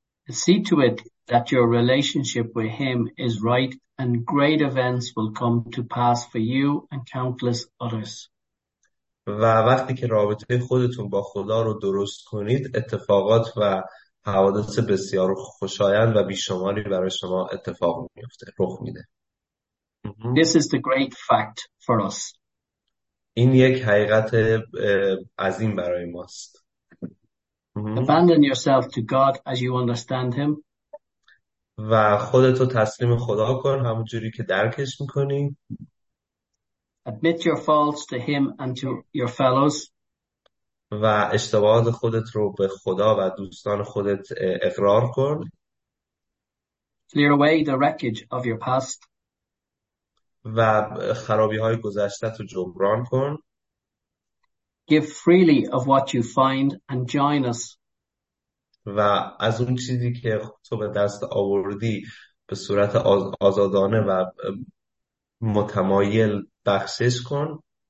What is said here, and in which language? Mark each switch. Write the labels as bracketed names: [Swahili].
[English] See to it that your relationship with him is right and great events will come to pass for you and countless others. [Persian] و وقتی که رابطه خودتون با خدا رو درست کنید، اتفاقات و حوادث بسیار خوشایند و بیشماری برای شما اتفاق میفته، رخ میده. [English] This is the great fact for us. [Persian] این یک حقیقت عظیم برای ماست. [English] Abandon yourself to God as you understand him. [Persian] و خودتو تسلیم خدا کن همون جوری که درکش میکنی. [English] Admit your faults to him and to your fellows. [Persian] و اشتباهات خودت رو به خدا و دوستان خودت اقرار کن. [English] Clear away the wreckage of your past. [Persian] و خرابی های گذشتت رو جبران کن. [English] Give freely of what you find and join us. [Persian] و از اون چیزی که تو به دست آوردی به صورت آزادانه و متمایل بخشش کن.